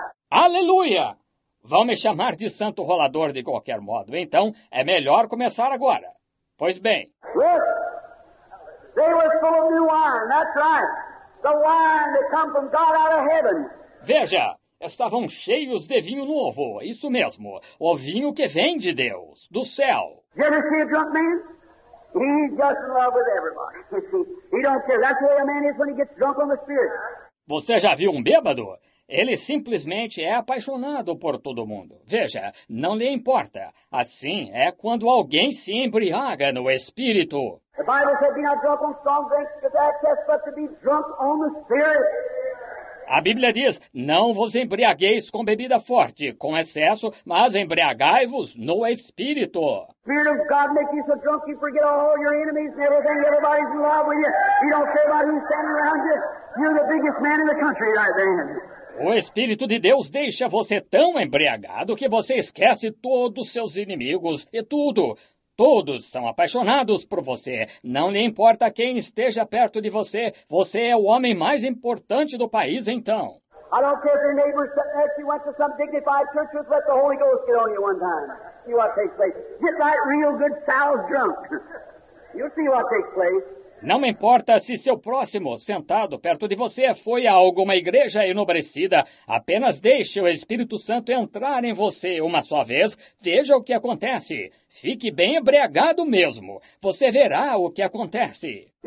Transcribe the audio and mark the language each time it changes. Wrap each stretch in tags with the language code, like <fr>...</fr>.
<pt>Aleluia! Vão me chamar de santo rolador de qualquer modo. Então, é melhor começar agora. Pois bem.</pt> <en>Yes. They were full of new wine. That's right. The wine that come from God out of heaven.</en> <pt>Veja, estavam cheios de vinho novo. Isso mesmo. O vinho que vem de Deus, do céu.</pt> <en>You ever see a drunk man? He's just in love with everybody. He don't care. That's the way a man is when he gets drunk on the Spirit.</en> <pt>Você já viu um bêbado? Ele simplesmente é apaixonado por todo mundo. Veja, não lhe importa. Assim é quando alguém se embriaga no Espírito.</pt> <en>The Bible said, be not drunk on strong drink, because that's just but to be drunk on the Spirit.</en> <pt>A Bíblia diz, não vos embriagueis com bebida forte, com excesso, mas embriagai-vos no Espírito.</pt> <en>Spirit of God makes you so drunk you forget all your enemies and everything. Everybody's in love with you. You don't care about who's standing around you. You're the biggest man in the country right then.</en> <pt>O Espírito de Deus deixa você tão embriagado que você esquece todos os seus inimigos e tudo. Todos são apaixonados por você. Não lhe importa quem esteja perto de você. Você é o homem mais importante do país, então.</pt> <en>I don't care if your neighbor actually went to some dignified church, just let the Holy Ghost get on you one time. See what takes place. Get that real good sal's drunk. You'll see what takes place.</en> <pt>Não importa se seu próximo, sentado perto de você, foi a alguma igreja enobrecida. Apenas deixe o Espírito Santo entrar em você uma só vez. Veja o que acontece. Fique bem embriagado mesmo. Você verá o que acontece.</pt>